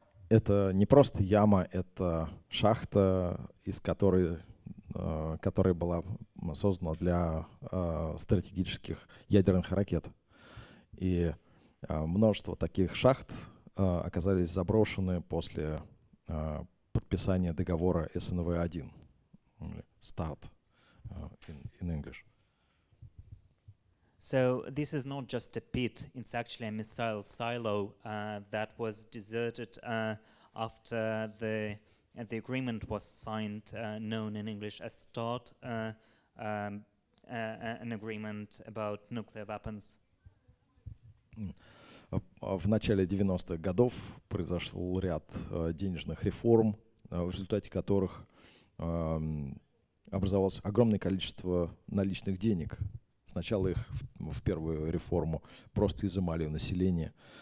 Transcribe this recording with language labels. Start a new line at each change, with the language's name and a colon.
Russian: Это не просто яма, это шахта, из которой которая была создана для стратегических ядерных ракет. И множество таких шахт оказались заброшены после подписание договора СНВ-1, START,
English: in English. So this is not just a pit, it's actually a missile silo that was deserted after the agreement was signed, known in English as START, an agreement about nuclear weapons.
Russian: В начале 90-х годов произошел ряд денежных реформ, в результате которых образовалось огромное количество наличных денег. Сначала их в первую реформу просто изымали у населения.